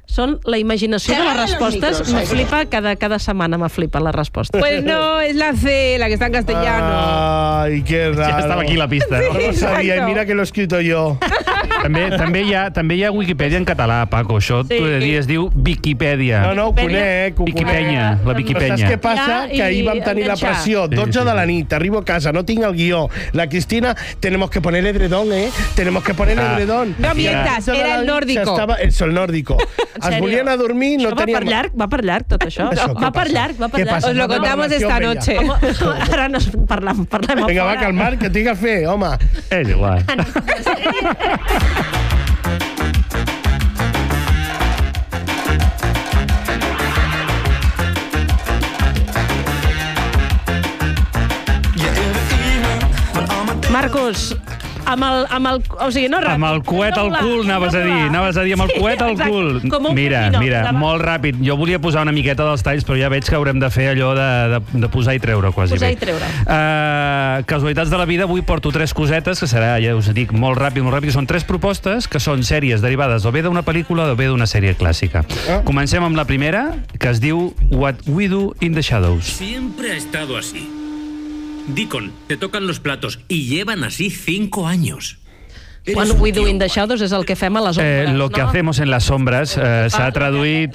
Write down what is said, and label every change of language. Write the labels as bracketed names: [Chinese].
[Catalan] Són la imaginació de les respostes. Me flipa cada setmana, me flipa la resposta. [Spanish] Pues no, es la C, la que está en castellano. Ay, qué raro. [Catalan] Ja estava aquí la pista. [Spanish] Sí, no sabia, y mira que lo he escrito yo. [Catalan] També hi ha Wikipedia en català, Paco. Això sí, t'ho he de dir, es diu Viquipèdia. No, ho conec. Viquipenya, la Viquipenya. Saps què passa? Que ahir vam tenir la pressió. 12 de la nit, arribo a casa, no tinc el guió. [Spanish] La Cristina, tenemos que poner edredón, ¿eh? Tenemos que poner edredón. No mientas, era el nórdico. [Catalan] Estava el sol nórdico. Es volien adormir, no teníem... Això va per llarg, tot això. Què passa? [Spanish] Os lo contamos esta noche. [Catalan] Ara no parlem. Vinga, va, calmar, que tinc a fer, home. És igual. Marcos, amb el... O sigui, no ràpid. Amb el coet al cul, anaves a dir, amb el coet al cul. Mira, molt ràpid. Jo volia posar una miqueta dels talls, però ja veig que haurem de fer allò de posar i treure, quasi. Posar i treure. Casualitats de la vida, avui porto tres cosetes, que serà, ja us dic, molt ràpid. Són tres propostes, que són sèries derivades o bé d'una pel·lícula o bé d'una sèrie clàssica. Comencem amb la primera, que es diu What We Do in the Shadows. [Spanish] Siempre ha estado así. Deacon, te tocan los platos y llevan así 5 años. [Catalan] What We Do in the Shadows és el que fem a les ombres, [Spanish] Lo que [Catalan] no? [Spanish] Hacemos en las sombras, [Catalan] s'ha traduït...